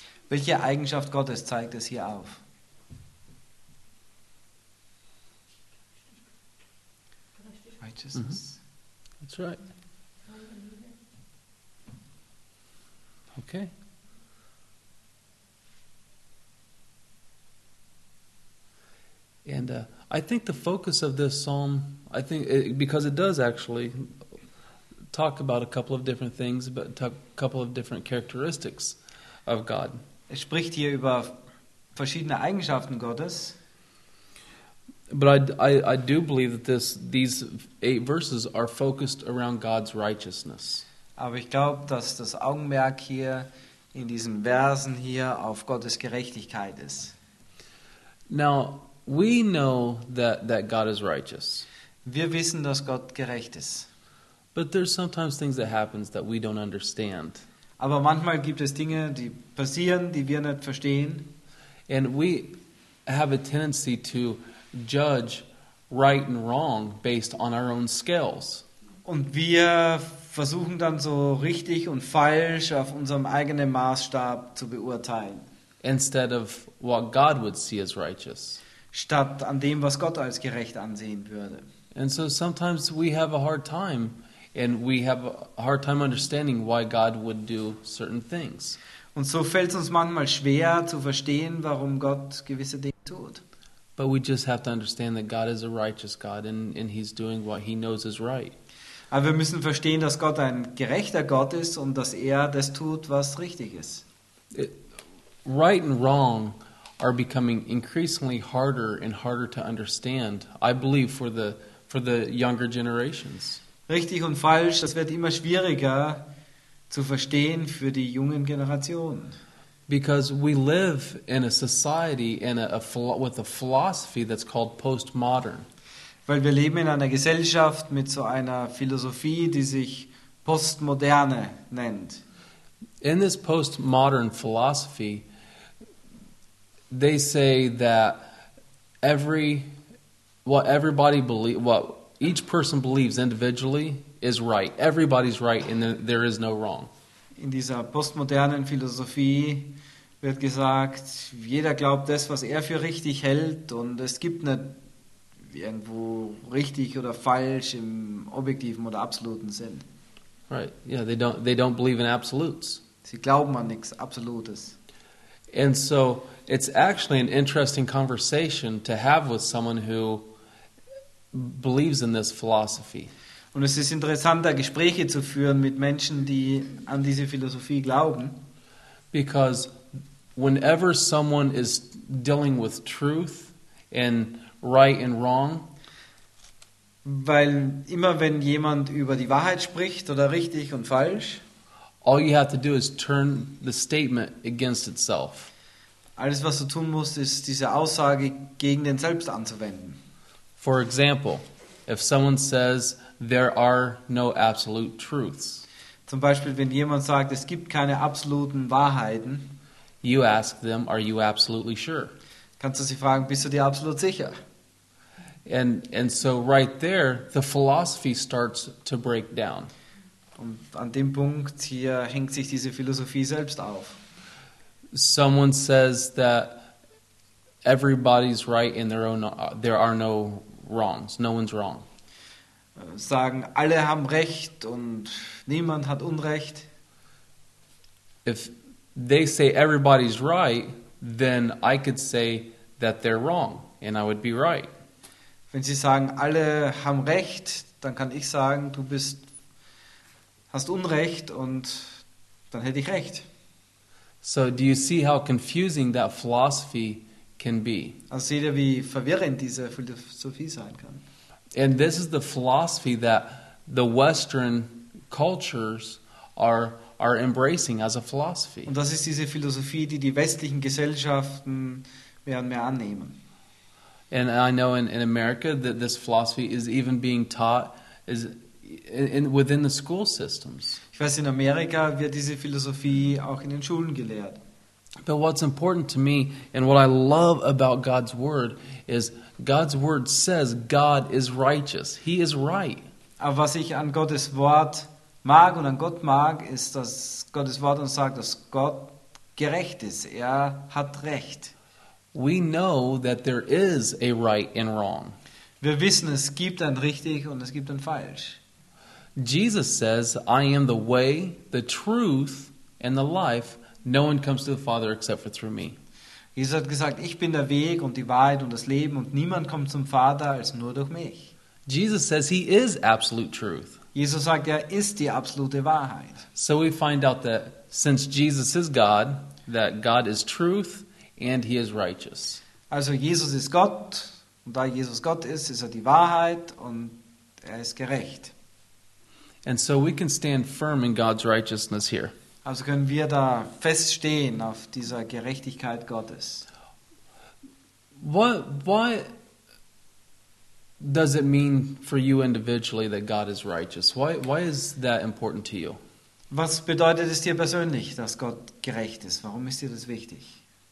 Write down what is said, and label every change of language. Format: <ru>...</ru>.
<de>Welche Eigenschaft Gottes zeigt es hier auf?</de> <en>Righteousness. Mm-hmm. That's right. Okay. And I think the focus of this psalm, I think, because it does actually talk about a couple of different things, but talk a couple of different characteristics of God.</en> <de>Es spricht hier über verschiedene Eigenschaften Gottes.</de> <en>But I do believe that these eight verses are focused around God's righteousness.</en> <de>Aber ich glaube, dass das Augenmerk hier in diesen Versen hier auf Gottes Gerechtigkeit ist.</de> <en>Now, we know that God is righteous.</en> <de>Wir wissen, dass Gott gerecht ist.</de> <en>But there's sometimes things that happens that we don't understand.</en> <de>Aber manchmal gibt es Dinge, die passieren, die wir nicht verstehen.</de> <en>And we have a tendency to judge right and wrong based on our own scales.</en> <de>Und wir versuchen dann so richtig und falsch auf unserem eigenen Maßstab zu beurteilen.</de> <en>Instead of what God would see as righteous.</en> <de>statt an dem, was Gott als gerecht ansehen würde.</de> <en>And so sometimes we have a hard time, and we have a hard time understanding why God would do certain things.</en> <de>Und so fällt es uns manchmal schwer zu verstehen, warum Gott gewisse Dinge tut.</de> <en>But we just have to understand that God is a righteous God, and he's doing what he knows is right.</en> <de>Aber wir müssen verstehen, dass Gott ein gerechter Gott ist und dass er das tut, was richtig ist.</de> <en>Right and wrong are becoming increasingly harder and harder to understand, I believe, for the younger generations.</en> <de>Richtig und falsch, das wird immer schwieriger zu verstehen für die jungen Generationen.</de> <en>Because we live in a society with a philosophy that's called postmodern.</en> <de>Weil wir leben in einer Gesellschaft mit so einer Philosophie, die sich Postmoderne nennt.</de> <en>In this postmodern philosophy, they say that each person believes individually is right. Everybody's right and there is no wrong.</en> <de>In dieser postmodernen Philosophie wird gesagt, jeder glaubt das, was er für richtig hält, und es gibt nicht irgendwo richtig oder falsch im objektiven oder absoluten Sinn.</de> <en>Right. Yeah, they don't believe in absolutes.</en> <de>Sie glauben an nichts Absolutes.</de> <en>And so it's actually an interesting conversation to have with someone who believes in this philosophy.</en> <de>Und es ist interessant, da Gespräche zu führen mit Menschen, die an diese Philosophie glauben.</de> <en>Because whenever someone is dealing with truth and right and wrong,</en> <de>weil immer wenn jemand über die Wahrheit spricht oder richtig und falsch,</de> <en>all you have to do is turn the statement against itself.</en> <de>Alles, was du tun musst, ist, diese Aussage gegen den Selbst anzuwenden.</de> <en>For example, if someone says there are no absolute truths.</en> <de>Zum Beispiel, wenn jemand sagt, es gibt keine absoluten Wahrheiten.</de> <en>You ask them, are you absolutely sure?</en> <de>Kannst du sie fragen, bist du dir absolut sicher?</de> <en>And so right there, the philosophy starts to break down.</en> <de>Und an dem Punkt hier hängt sich diese Philosophie selbst auf.</de> <en>Someone says that everybody's right in their own, there are no wrongs, no one's wrong.</en> <de>Sagen, alle haben Recht und niemand hat Unrecht.</de> <en>If they say everybody's right, then I could say that they're wrong and I would be right.</en> <de>Wenn sie sagen, alle haben Recht, dann kann ich sagen, du bist hast Unrecht und dann hätte ich Recht.</de> <en>So do you see how confusing that philosophy can be?</en> <de>Also seht ihr, wie verwirrend diese Philosophie sein kann.</de> <en>And this is the philosophy that the Western cultures are embracing as a philosophy.</en> <de>Und das ist diese Philosophie, die die westlichen Gesellschaften mehr und mehr annehmen.</de> <en>And I know in America that this philosophy is even being taught is in within the school systems.</en> <de>Ich weiß, in Amerika wird diese Philosophie auch in den Schulen gelehrt.</de> <en>But what's important to me and what I love about God's word is God's word says God is righteous. He is right.</en> <de>Aber was ich an Gottes Wort mag und an Gott mag, ist, dass Gottes Wort uns sagt, dass Gott gerecht ist. Er hat Recht.</de> <en>We know that there is a right and wrong.</en> <de>Wir wissen, es gibt ein richtig und es gibt ein falsch.</de> <en>Jesus says, I am the way, the truth and the life. No one comes to the Father except for through me.</en> <de>Jesus hat gesagt, ich bin der Weg und die Wahrheit und das Leben und niemand kommt zum Vater als nur durch mich.</de> <en>Jesus says he is absolute truth.</en> <de>Jesus sagt, er ist die absolute Wahrheit.</de> <en>So we find out that since Jesus is God, that God is truth and he is righteous.</en> <de>Also Jesus ist Gott und da Jesus Gott ist, ist er die Wahrheit und er ist gerecht.</de> <en>And so we can stand firm in God's righteousness here.</en> <de>Also können wir da feststehen auf dieser Gerechtigkeit Gottes.</de> <en>What does it mean for you individually that God is righteous? Why is that important to you?</en> <de>Was bedeutet es dir persönlich, dass Gott gerecht ist? Warum ist dir das wichtig?</de>